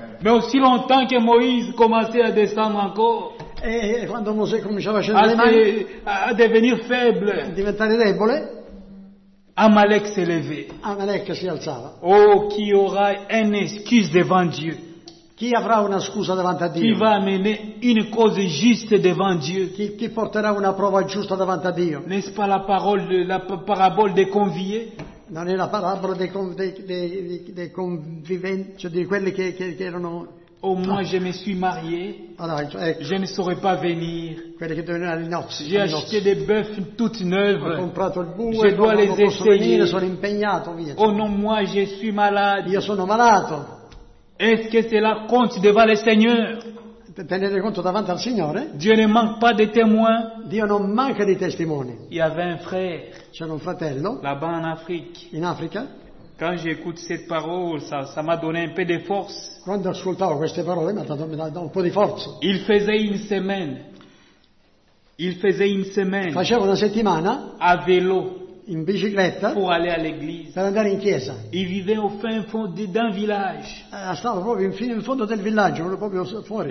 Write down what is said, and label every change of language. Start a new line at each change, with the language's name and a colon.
French: Mais aussi longtemps que Moïse commençait à descendre encore.
Italian: E quando Mosè cominciava a scendere le mani.
French: A devenir faible.
Italian: A diventare debole.
French: Amalek s'est levé.
Italian: Amalek si alzava.
French: Oh, qui aura une excuse devant Dieu?
Italian: Chi avrà una scusa davanti a Dio? Chi va a
French: mener une cause juste devant Dieu?
Italian: Chi porterà una prova giusta davanti a Dio?
French: N'est-ce pas la parole de la parabole des conviés?
Italian: Non è la parabola dei conviventi, cioè di quelli che erano.
French: Au moins, je me suis marié.
Italian: Allora, ecco.
French: Je ne saurais pas venir.
Italian: Quelli che dovevano alle nozze.
French: J'ai acheté des bœufs toutes neuves.
Italian: Ho comprato il bue.
French: Je dois les essayer.
Italian: Sono impegnato, via.
French: Oh non, moi, je suis malade.
Italian: Io sono malato.
French: Est-ce que cela compte devant le Seigneur?
Italian: Tenete conto davanti al Signore?
French: Dieu ne manque pas de témoins.
Italian: Dio non manca di testimoni.
French: Il y avait un frère.
Italian: C'era un fratello.
French: Là-bas en Afrique.
Italian: In Africa.
French: Quand j'écoute cette parole, ça m'a donné un peu de force.
Italian: Quando ascoltavo queste parole, mi ha dato un po' di forza.
French: Il faisait une semaine. Il faisait une semaine.
Italian: Faceva una settimana.
French: A vélo.
Italian: In bicicletta
French: pour aller à l'église.
Italian: Per andare in chiesa.
French: Il vivait au fin fond d'un village.
Italian: Stava proprio in fondo del villaggio, proprio fuori.